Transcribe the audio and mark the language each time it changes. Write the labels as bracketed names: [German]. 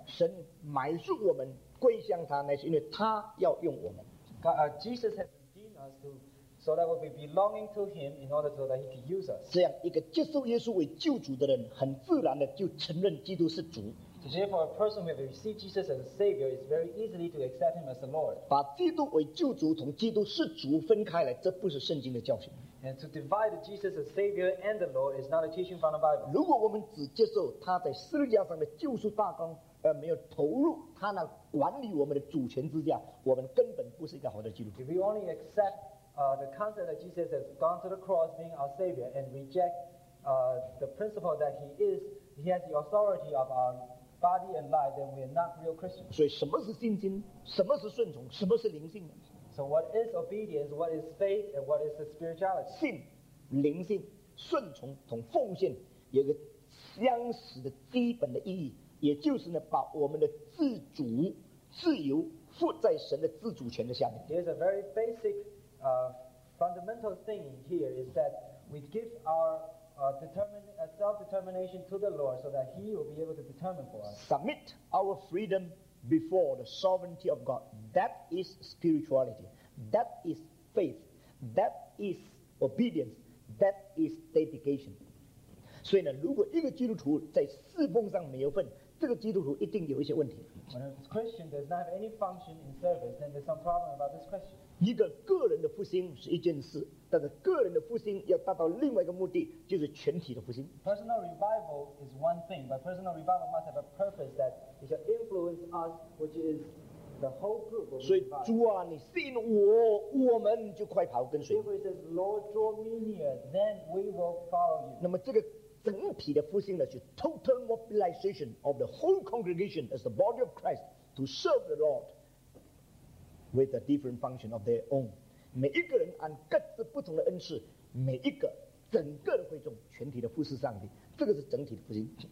[Chinese] 神买入我们归向他，乃是因为他要用我们。 [English] Jesus has redeemed us to so that we be belonging to Him in order so that He can use us. [Chinese] 这样一个接受耶稣为救主的人，很自然的就承认基督是主。 [English] So therefore, a person who has received Jesus as a Savior is very easily to accept Him as the Lord. [Chinese] 把基督为救主同基督是主分开来，这不是圣经的教训。 [English] And to divide Jesus as Savior and the Lord is not a teaching from the Bible. [Chinese] 如果我们只接受他在十字架上的救赎大功，而没有投入他那管理我们的主权之下，我们根本不是一个好的基督徒。 [English] If we only accept the concept that Jesus has gone to the cross being our Savior and reject the principle that He has the authority of our body and life, then we are not real Christians. [Chinese] 所以什么是信心？什么是顺从？什么是灵性？ [English] So what is obedience? What is faith? And what is the spirituality? [Chinese] 信、灵性、顺从同奉献有个相似的基本的意义，也就是呢，把我们的自主、自由附在神的自主权的下面。 [English] There's a very basic, fundamental thing here is that we give our self-determination to the Lord so that He will be able to determine for us. Submit our freedom before the sovereignty of God. That is spirituality. That is faith. That is obedience. That is dedication. [Chinese] 所以呢，如果一个基督徒在侍奉上没有份，这个基督徒一定有一些问题。 [English] When a Christian does not have any function in service, then there's some problem about this question. [Chinese] 一个个人的复兴是一件事，但是个人的复兴要达到另外一个目的，就是全体的复兴。 [English] Personal revival is one thing, but personal revival must have a purpose that it shall influence us, which is the whole group. [Chinese] 所以主啊，你吸引我，我们就快跑跟随。 [English] If it says, Lord, draw me near, then we will follow you. [Chinese] 那么这个整体的复兴呢，是 [English] total mobilization of the whole congregation as the body of Christ to serve the Lord with a different function of their own. [Chinese] 每一个人按各自不同的恩赐，每一个整个的会众全体的服侍上帝，这个是整体的复兴。